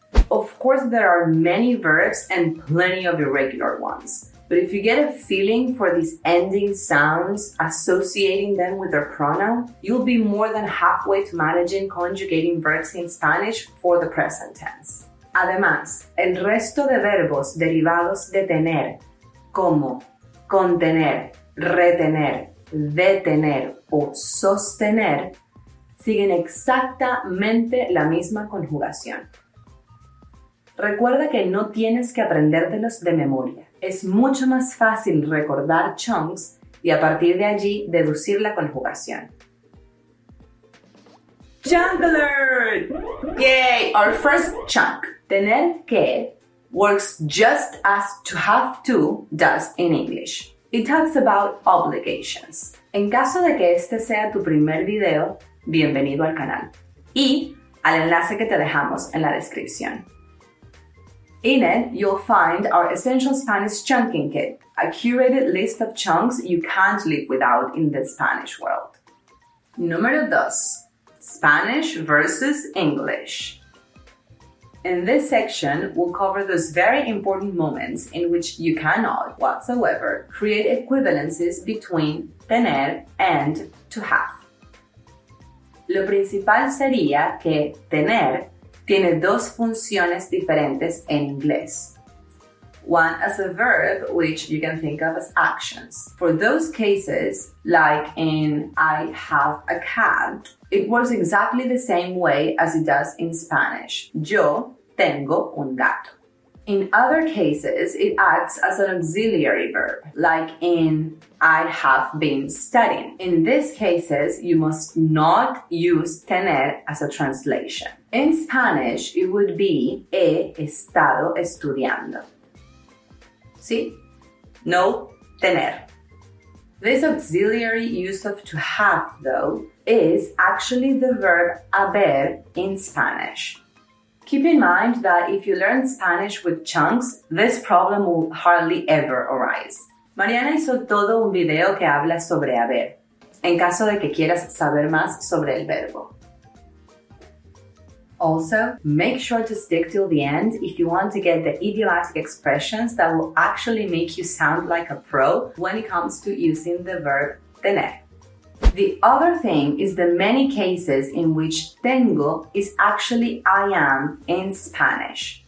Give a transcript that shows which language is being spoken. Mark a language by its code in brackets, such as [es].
[en] Of course, there are many verbs and plenty of irregular ones. But if you get a feeling for these ending sounds, associating them with their pronoun, you'll be more than halfway to managing conjugating verbs in Spanish for the present tense. [es] Además, el resto de verbos derivados de tener, como contener, retener, detener o sostener, siguen exactamente la misma conjugación. Recuerda que no tienes que aprendértelos de memoria. Es mucho más fácil recordar chunks y a partir de allí deducir la conjugación. [en] Chunk alert! Yay! Our first chunk. Tener que works just as to have to does in English. It talks about obligations. [es] En caso de que este sea tu primer video, bienvenido al canal. Y al enlace que te dejamos en la descripción. [en] In it, you'll find our Essential Spanish Chunking Kit, a curated list of chunks you can't live without in the Spanish world. [es] Número 2. [en] Spanish versus English. In this section, we'll cover those very important moments in which you cannot, whatsoever, create equivalences between tener and to have. [es] Lo principal sería que tener tiene dos funciones diferentes en inglés. [en] One as a verb, which you can think of as actions. For those cases, like in I have a cab, it works exactly the same way as it does in Spanish. [es] Yo tengo un gato. [en] In other cases, it acts as an auxiliary verb, like in I have been studying. In these cases, you must not use tener as a translation. In Spanish, it would be [es] he estado estudiando. ¿Sí? [en] No, tener. This auxiliary use of to have, though, is actually the verb haber in Spanish. Keep in mind that if you learn Spanish with chunks, this problem will hardly ever arise. [es] Mariana hizo todo un video que habla sobre haber, en caso de que quieras saber más sobre el verbo. [en] Also, make sure to stick till the end if you want to get the idiomatic expressions that will actually make you sound like a pro when it comes to using the verb tener. The other thing is the many cases in which tengo is actually I am in Spanish.